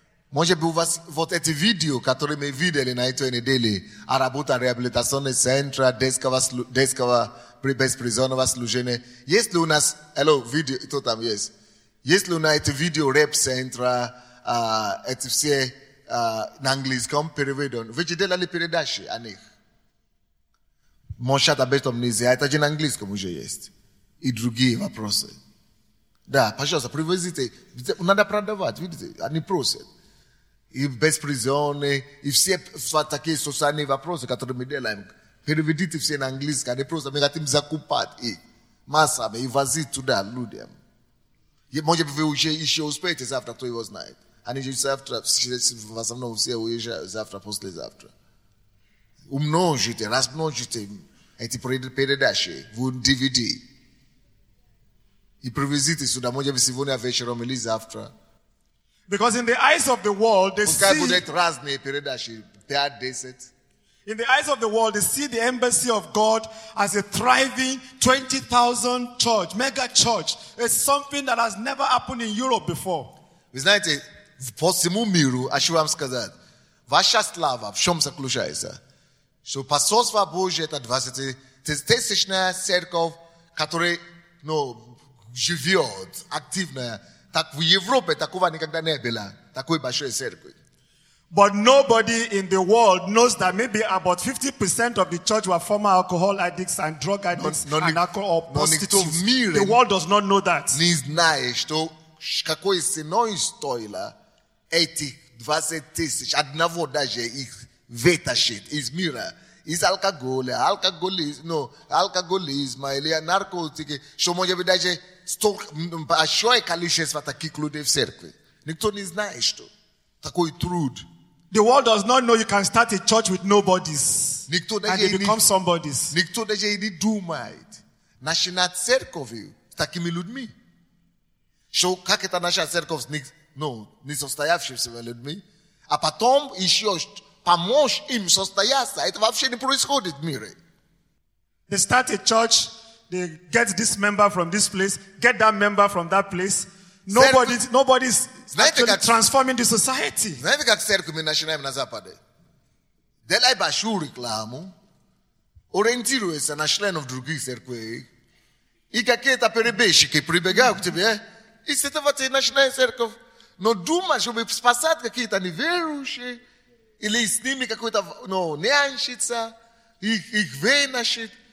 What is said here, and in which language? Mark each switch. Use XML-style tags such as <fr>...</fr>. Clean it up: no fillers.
<ru>Может быть, у вас вот эти видео, которые мы видели на этой неделе, о работе реабилитационного центра, детского беспризорного служения. Есть ли у нас, hello, видео, кто там есть? Есть ли у нас эти видео реп-центра, эти все на английском переведены? Вы же делали передачи о них. Может, об этом нельзя, это же на английском уже есть. И другие вопросы. Да, пожалуйста, привозите. Надо продавать, видите, они просят. И беспризорные, и все такие социальные вопросы, которые мы делаем, переведите все на английский, они просто, мы хотим закупать их массами и возить туда людям. И, может быть, вы уже еще успеете завтра, кто его знает. Они же завтра, в основном все уезжают завтра, послезавтра. Умножите, размножите эти передачи в DVD и привезите сюда, может быть, сегодня вечером или завтра.</ru> <en>Because in the eyes of the world, they In the eyes of the world, they see the embassy of God as a thriving 20,000 church, mega church. It's something that has never happened in Europe before.</en> <ru>Вы знаете, в посему миру, а что вам сказать? Ваша слава в чем заключается? Что посольство Божье это 20-тысячная церковь, которая, ну, живет активная. Так в Европе такого никогда не было, такой большой церкви.</ru> <en>But nobody in the world knows that maybe about 50% of the church were former alcohol addicts and drug addicts and alcohol prostitutes. The world does not know that.</en> <ru>Не знает, что какой ценой стоило эти 20 тысяч, одного даже их вытащить из мира, из алкоголя, алкоголизма или наркотики, что может быть даже столько, большое количество таких людей в церкви. Никто не знает, что такой труд.</ru> <en>The world does not know you can start a church with nobodies</en> <ru>никто</ru> <en>and they become somebodies.</en> <ru>Никто даже не думает начинать церковь с такими людьми. Что как это наша церковь с не состоявшимися людьми, а потом еще помочь им состояться. Это вообще не происходит в мире.</ru> <en>They start a church, they get this member from this place, get that member from that place. Nobody's actually transforming the society.</en> <ru>Знаете, как церковь мы начинаем на Западе? Делай большую рекламу, ориентируйся на членов других церквей, и какие-то перебежчики прибегают к тебе, и с этого ты начинаешь церковь. Но думай, чтобы спасать какие-то неверующие, или с ними какой-то, ну, нянщица, их вынашить.</ru>